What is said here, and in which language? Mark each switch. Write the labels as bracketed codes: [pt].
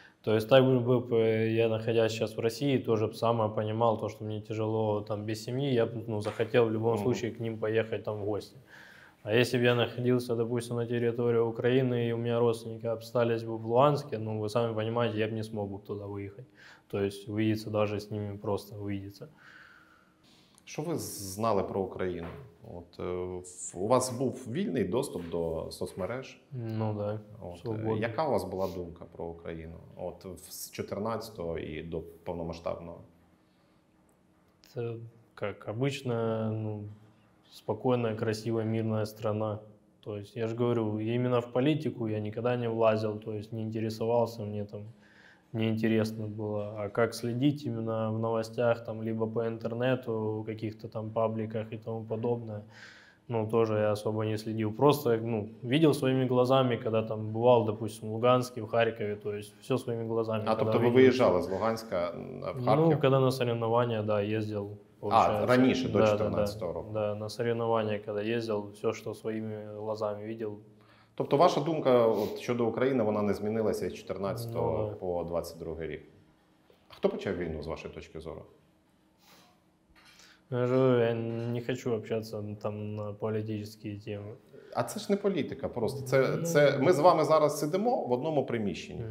[ru] То есть, так бы я, находясь сейчас в России, тоже самое понимал, то, что мне тяжело там, без семьи, я бы ну, захотел в любом случае к ним поехать там, в гости. А если бы я находился, допустим, на территории Украины, и у меня родственники остались бы в Луганске, ну, вы сами понимаете, я бы не смог бы туда выехать. То есть, увидеться даже с ними, просто увидеться. [uk] Що ви знали про Україну? От, у вас був вільний доступ до соцмереж? Ну, да. От, яка у вас була думка про Україну? От, з 14-го і до повномасштабного? Це, як звичайно, ну, спокійна, красива, мирна країна. Тобто, я ж говорю, іменно в політику я ніколи не влазив, тобто не інтересувався мені там. [ru] Мне интересно было, а как следить именно в новостях, там, либо по интернету, в каких-то там пабликах и тому подобное. Ну, тоже я особо не следил. Просто, ну, видел своими глазами, когда там бывал, допустим, в Луганске, в Харькове, то есть все своими глазами. А, то есть вы выезжали из Луганска в Харьков? Ну, когда на соревнования, да, ездил. Получается. А, раньше, до 14-го года. Да, на соревнования, когда ездил, все, что своими глазами видел. [uk] Тобто ваша думка от, щодо України, вона не змінилася з 14-го по 22-й рік. А хто почав війну з вашої точки зору? Я не хочу общатися там на політичні теми. А це ж не політика просто. Це ми з вами зараз сидимо в одному приміщенні.